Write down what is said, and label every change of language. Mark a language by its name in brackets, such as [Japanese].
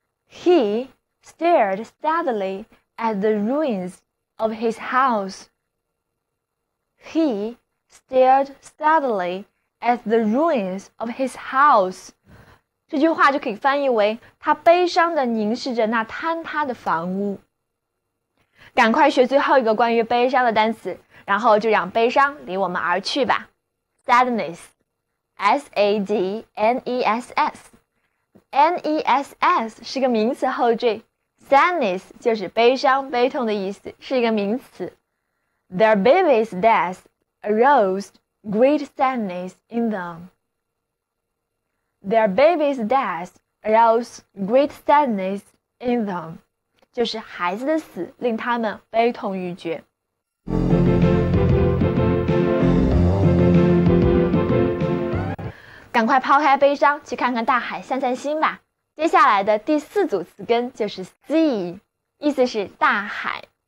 [English] He stared sadly at the ruins of his house. He stared sadly at the ruins of his house. [Chinese] 这句话就可以翻译为他悲伤地凝视着那坍塌的房屋。赶快学最后一个关于悲伤的单词，然后就让悲伤离我们而去吧。 Sadness, S-A-D-N-E-S-S, N-E-S-S 是个名词后缀。 Sadness 就是悲伤、悲痛的意思，是一个名词。 [English] Their baby's death aroused great sadness in them. Their baby's death aroused great sadness in them. [Chinese] 就是孩子的死令他们悲痛欲绝。赶快抛开悲伤，去看看大海，散散心吧。接下来的第四组词根就是 sea， 意思是大海。